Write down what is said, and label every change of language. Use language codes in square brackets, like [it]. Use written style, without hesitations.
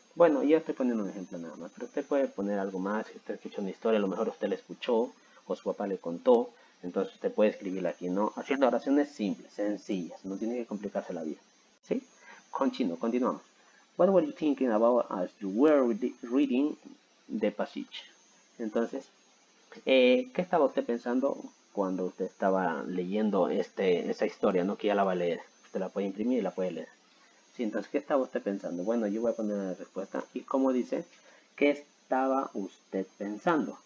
[es] Bueno, yo estoy poniendo un ejemplo nada más, pero usted puede poner algo más. Si usted escucha una historia, a lo mejor usted la escuchó o su papá le contó, entonces usted puede escribirla aquí, ¿no? Haciendo oraciones simples, sencillas, no tiene que complicarse la vida, ¿sí? Continuamos. [en] What were you thinking about as you were reading the passage? [es] Entonces, ¿qué estaba usted pensando cuando usted estaba leyendo esa historia, ¿no? Que ya la va a leer, usted la puede imprimir y la puede leer. Sí, entonces, ¿qué estaba usted pensando? Bueno, yo voy a poner la respuesta. Y como dice, ¿qué estaba usted pensando?